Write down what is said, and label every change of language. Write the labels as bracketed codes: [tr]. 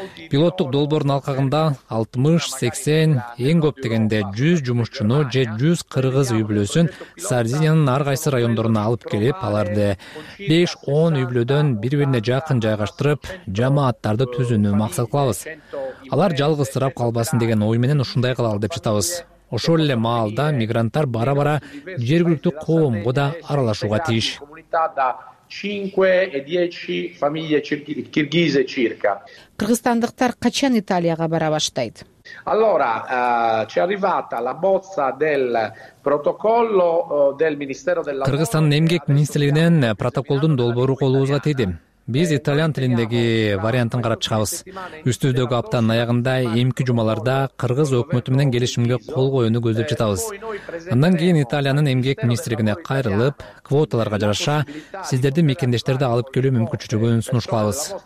[ky] Пилоттук долбоордун алкагында 60-80, эң көп дегенде 100 жумушчуну же 100 кыргыз үй бүлөсүн Сардиниянын ар кайсы райондоруна алып келип, аларды 5-10 үй бүлөдөн бири-бирине жакын жайгаштырып, жамааттарды түзүүнү максат кылабыз. Алар жалгыз сырап калбасын деген ой менен ушундай кылалы деп жатабыз. Ошол эле маалда мигранттар бара-бара жергиликтүү коомго да аралашууга тийиш. [it] 5-10 famiglie kirghise circa. [ky] Кыргызстандыктар качан Италияга бара баштайт? [it] Allora, ci è arrivata la bozza del protocollo del Ministero del Lavoro. [ky] Кыргызстандын эмгек министрлигинен протоколдун долбоору колубузга тийди. Биз итальян тилиндеги вариантын карап чыгабыз. Үстүбүздөгү аптанын аягында эмки жумаларда кыргыз өкмөтү менен келишимге кол коюуну көздөп жатабыз. Андан кийин Италиянын эмгек министрлигине кайрылып, квоталарга жараша сиздердин мекендештерди алып келүү мүмкүнчүлүгүн сунуш кылабыз.